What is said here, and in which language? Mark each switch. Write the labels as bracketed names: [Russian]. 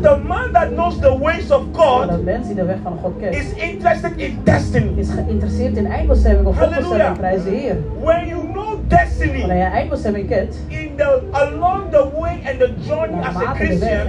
[English] But the man that knows the ways of God, [Dutch] de mens die de weg van God kent, [English] is interested in destiny. [Dutch] Is geïnteresseerd in eindbestemming of voorbestemming, prijs de Heer. [English] When you know destiny, [Dutch] wanneer je eindbestemming kent, [English] in the along the way and the journey as a Christian,